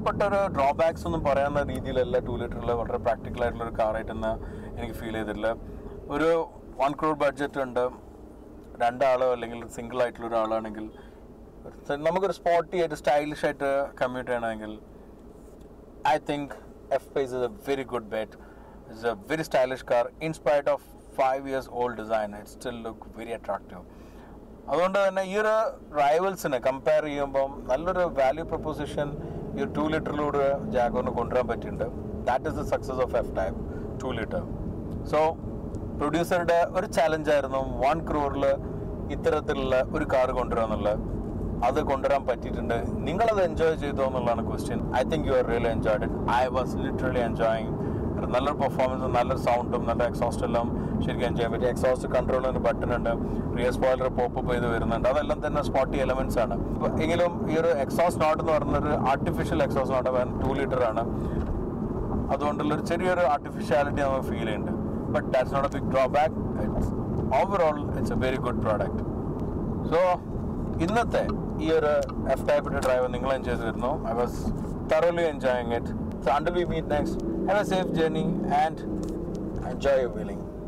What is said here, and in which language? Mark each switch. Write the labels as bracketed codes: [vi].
[ml] പ്രധാനപ്പെട്ട ഒരു ഡ്രോബാക്സ് ഒന്നും പറയാവുന്ന രീതിയിലല്ല 2 ലിറ്ററുള്ള വളരെ പ്രാക്ടിക്കൽ ആയിട്ടുള്ള ഒരു കാറായിട്ടെന്ന് എനിക്ക് ഫീൽ ചെയ്തിട്ടില്ല. ഒരു 1 crore ബഡ്ജറ്റ് ഉണ്ട്, രണ്ടാളോ അല്ലെങ്കിൽ സിംഗിൾ ആയിട്ടുള്ള ഒരാളാണെങ്കിൽ നമുക്കൊരു സ്പോട്ടി ആയിട്ട് സ്റ്റൈലിഷ് ആയിട്ട് കമ്മ്യൂട്ട് ചെയ്യണമെങ്കിൽ [en] I think FPACE is a very good bet. It's a very stylish car. In spite of 5 years old design, it still look very attractive. [ml] അതുകൊണ്ട് തന്നെ ഈ ഒരു റൈവൽസിനെ കമ്പയർ ചെയ്യുമ്പം നല്ലൊരു വാല്യൂ പ്രപ്പോസിഷൻ ഈ ഒരു 2 ലിറ്ററിലൂടെ ജാഗ്വാറിന് കൊണ്ടുവരാൻ പറ്റിയിട്ടുണ്ട്. [en] That is the success of F type 2 litre. [ml] So പ്രൊഡ്യൂസറുടെ ഒരു ചലഞ്ചായിരുന്നു 1 crore ഇത്തരത്തിലുള്ള ഒരു കാർ കൊണ്ടുവരാൻ ഉള്ള, അത് കൊണ്ടുവരാൻ പറ്റിയിട്ടുണ്ട്. നിങ്ങളത് എൻജോയ് ചെയ്തോ എന്നുള്ളതാണ് question. [en] I think you are really enjoyed it. I was literally enjoying. [ml] നല്ലൊരു പെർഫോമൻസും നല്ലൊരു സൗണ്ടും നല്ല എക്സോസ്റ്റ് എല്ലാം ശരിക്കും എൻജോയ് പറ്റി. എക്സോസ്റ്റ് കൺട്രോളിന് ബട്ടൺ ഉണ്ട്, റിയർ സ്പോയിലർ പോപ്പ് ചെയ്ത് വരുന്നുണ്ട്, അതെല്ലാം തന്നെ സ്പോട്ടി എലമെന്റ്സ് ആണ്. എങ്കിലും ഈ ഒരു എക്സോസ്റ്റ് നോട്ട് എന്ന് പറയുന്നൊരു ആർട്ടിഫിഷ്യൽ എക്സോസ്റ്റ് നോട്ട് ആണ്, 2 ലിറ്റർ ആണ്. അതുകൊണ്ടുള്ളൊരു ചെറിയൊരു ആർട്ടിഫിഷ്യാലിറ്റി നമുക്ക് ഫീൽ ചെയ്യുന്നുണ്ട്. [en] But that's not a big drawback. It's overall it's a very good product. [ml] So ഇന്നത്തെ ഈ ഒരു എഫ് ടൈപ്പിന്റെ ഡ്രൈവ് നിങ്ങൾ എൻജോയ് ചെയ്തിരുന്നു. [en] I was thoroughly enjoying it. So until we meet next, have a safe journey and enjoy your wheeling.